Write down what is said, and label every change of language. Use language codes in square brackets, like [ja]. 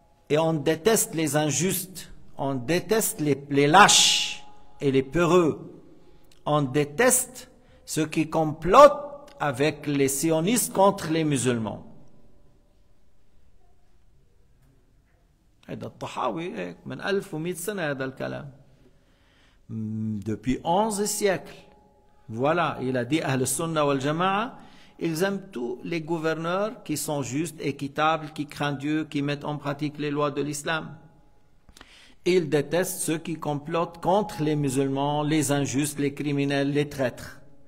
[fr] Et on déteste les injustes, on déteste les lâches et les peureux. On déteste ceux qui complotent avec les sionistes contre les musulmans. [ar] هذا الطحاوي هيك من 1100 سنة هذا الكلام. [fr] depuis 11 siècles. Voilà, il a dit Ahl Sunna wal Jama'a, ils aiment tous les gouverneurs qui sont justes, équitables, qui craignent Dieu, qui mettent en pratique les lois de l'islam. Ils détestent ceux qui complotent contre les musulmans, les injustes, les criminels, les traîtres.